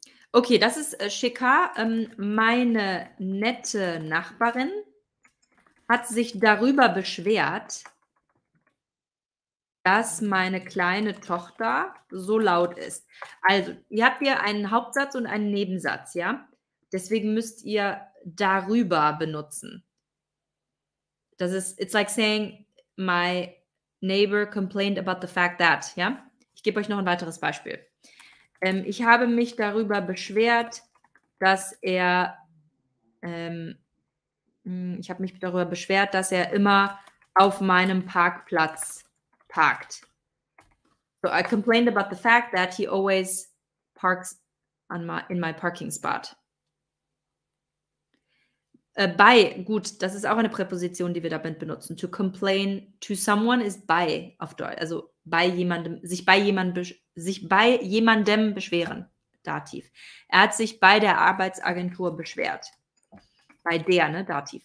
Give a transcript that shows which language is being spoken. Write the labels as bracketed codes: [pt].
[de] Okay, das ist Shika. Meine nette Nachbarin hat sich darüber beschwert, dass meine kleine Tochter so laut ist. Also, ihr habt hier einen Hauptsatz und einen Nebensatz, ja? Deswegen müsst ihr darüber benutzen. Das ist, [en] it's like saying, my neighbor complained about the fact that, ja? [de] Ich gebe euch noch ein weiteres Beispiel. Ich habe mich darüber beschwert, dass er, ich habe mich darüber beschwert, dass er immer auf meinem Parkplatz parked. [en] So I complained about the fact that he always parks on my, in my parking spot. [de] By, gut, das ist auch eine Präposition, die wir damit benutzen. [en] To complain to someone is by [de] auf Deutsch, also bei jemandem, sich bei jemandem beschweren, Dativ. Er hat sich bei der Arbeitsagentur beschwert. Bei der, ne, Dativ.